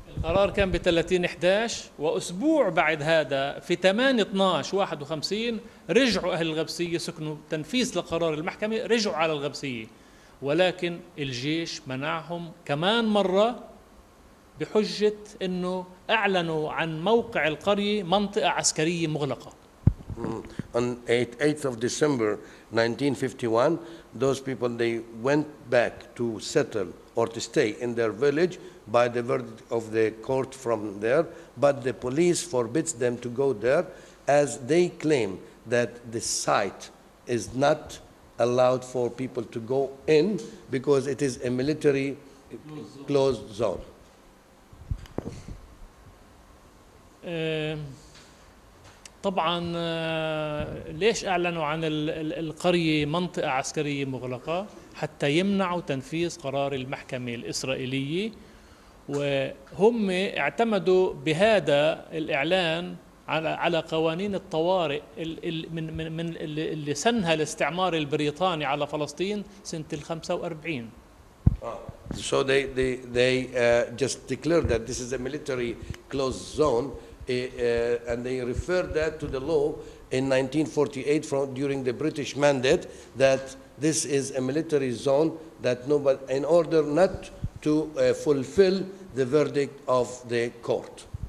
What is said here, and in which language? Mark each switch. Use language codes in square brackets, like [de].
[ar] القرار كان ب 30/11 وأسبوع بعد هذا في 8/12/51 رجعوا أهل الغبسية سكنوا تنفيذ لقرار المحكمة رجعوا على الغبسية ولكن الجيش منعهم كمان مرة بحجة إنه أعلنوا عن موقع القرية منطقة عسكرية مغلقة. [en] On 8th of December 1951, those people they went back to settle or to stay in their village by the verdict of the court from there, but the police forbids them to go there as they claim that the site is not allowed for people to go in because it is a military closed zone. [ar] طبعاً ليش أعلنوا عن القرية منطقة عسكرية مغلقة حتى يمنعوا تنفيذ قرار المحكمة الإسرائيلية وهم اعتمدوا بهذا الإعلان على قوانين الطوارئ من اللي سنها الاستعمار البريطاني على فلسطين سنة 1945. [en] So they just declared that this is a military closed zone. And they referred that to the law in 1948 from during the British mandate that this is a military zone that nobody, in order not to fulfill the verdict of the court.